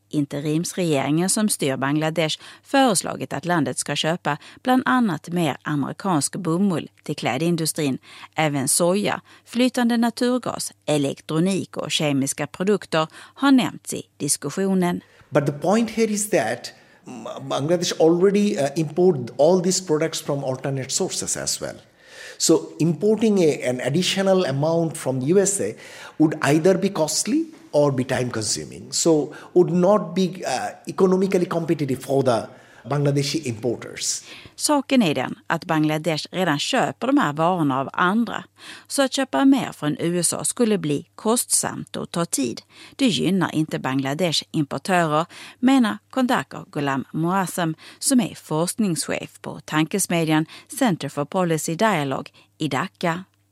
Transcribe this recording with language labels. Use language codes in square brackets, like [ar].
[sv] Interimsregeringen som styr Bangladesh föreslagit att landet ska köpa bland annat mer amerikansk bomull till klädindustrin, även soja, flytande naturgas, elektronik och kemiska produkter har nämnts i diskussionen. [en] But the point here is that Bangladesh already import all these products from alternate sources as well. So importing an additional amount from the USA would either be costly or be time consuming. So would not be economically competitive for the Bangladeshi importers. [sv] Saken är den att Bangladesh redan köper de här varorna av andra. Så att köpa mer från USA skulle bli kostsamt och ta tid. Det gynnar inte Bangladesh importörer, menar Kondaka Ghulam Moazzam, som är forskningschef på tankesmedjan Center for Policy Dialogue i Dhaka.